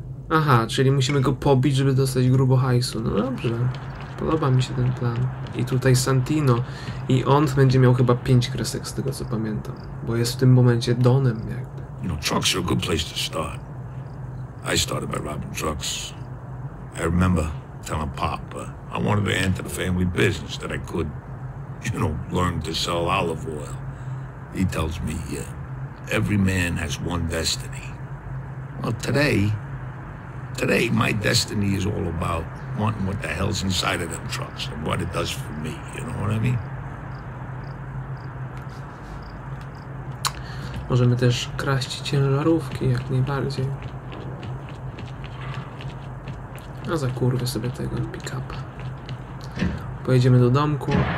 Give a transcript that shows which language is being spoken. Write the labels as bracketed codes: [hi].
[pl] Aha, czyli musimy go pobić, żeby dostać grubo hajsu. No dobrze, podoba mi się ten plan. I tutaj Santino, i on będzie miał chyba 5 kresek z tego co pamiętam, bo jest w tym momencie Donem jakby. [en] You know, trucks are a good place to start. I started by robbing trucks. I remember telling Pop I wanted to enter the family business that I could, you know, learn to sell olive oil. He tells me, every man has one destiny. Well, today my destiny is all about wanting what the hell's inside of them trucks and what it does for me, you know what I mean? [pl] Możemy też kraść ciężarówki, jak najbardziej. A za kurwę sobie tego pick-upa. Pojedziemy do domku.